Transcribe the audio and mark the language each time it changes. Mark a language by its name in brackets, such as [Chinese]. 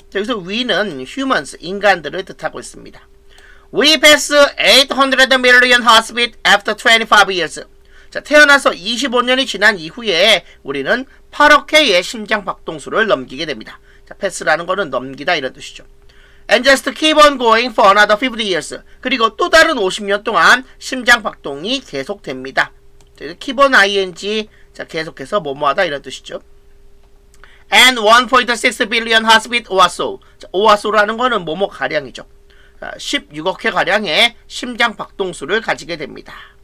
[Korean] 여기서 we는 humans, 인간들을 뜻하고 있습니다. [English] We pass 800 million heartbeats after 25 years. [Korean] 자, 태어나서 25년이 지난 이후에 우리는 8억 회의 심장 박동수를 넘기게 됩니다. 자, pass라는 것은 넘기다 이런 뜻이죠. [English] And just keep on going for another 50 years. [Korean] 그리고 또 다른 50년 동안 심장 박동이 계속됩니다. Keep on ing, 자, 계속해서 뭐뭐하다 이런 뜻이죠. [English] And 1.6 billion heartbeat or so. 자, or so [Korean] 라는 거는 뭐뭐 가량이죠. 16억 회 가량의 심장 박동수를 가지게 됩니다.